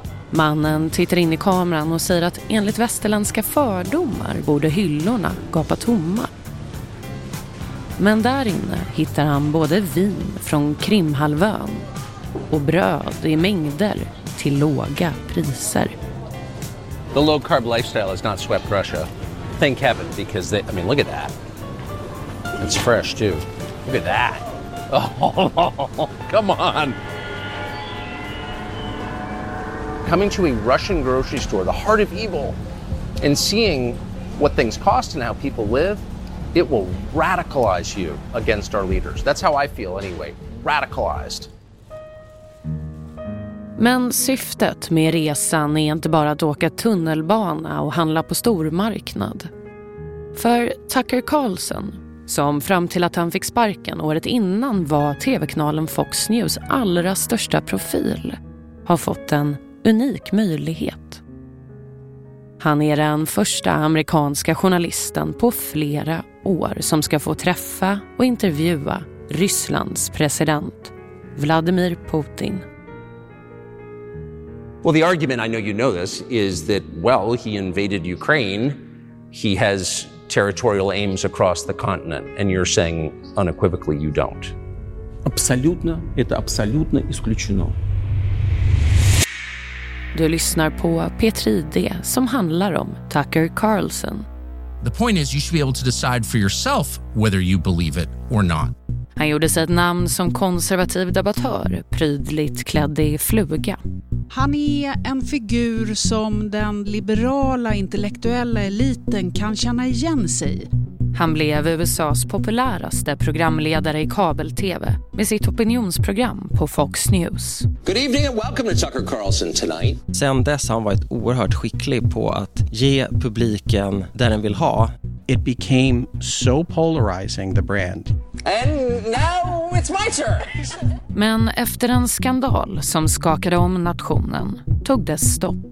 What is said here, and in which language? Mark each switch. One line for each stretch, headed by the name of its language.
Swedish: Mannen tittar in i kameran och säger att enligt västerländska fördomar borde hyllorna gapa tomma. Men där inne hittar han både vin från Krimhalvön och bröd i mängder till låga priser.
English: The low carb lifestyle has not swept Russia. Thank heaven, because they, I mean, look at that. It's fresh too. Look at that. Oh, come on. Coming to a Russian grocery store, the heart of evil, and seeing what things cost and how people live, it will radicalize you against our leaders. That's how I feel anyway, radicalized.
Swedish: Men syftet med resan är inte bara att åka tunnelbana och handla på stormarknad. För Tucker Carlson, som fram till att han fick sparken året innan var TV-kanalen Fox News allra största profil, har fått en unik möjlighet. Han är den första amerikanska journalisten på flera år som ska få träffa och intervjua Rysslands president Vladimir Putin.
English: Well, the argument, I know you know this, is that, well, he invaded Ukraine. He has territorial aims across the continent, and you're saying unequivocally you don't.
Russian: Абсолютно, это абсолютно исключено.
Swedish: Du lyssnar på P3 D som handlar om Tucker Carlson.
English: The point is you should be able to decide for yourself whether you believe it or not.
Swedish: Han gjorde sig ett namn som konservativ debattör, prydligt klädd i fluga. Han är en figur som den liberala intellektuella eliten kan känna igen sig. Han blev USA:s populäraste programledare i kabel-TV med sitt opinionsprogram på Fox News.
English: Good evening and welcome to Tucker Carlson tonight.
Swedish: Sen dess har han varit oerhört skicklig på att ge publiken där den vill ha.
English: It became so polarizing, the brand. And now it's my turn.
Swedish: Men efter en skandal som skakade om nationen tog det stopp.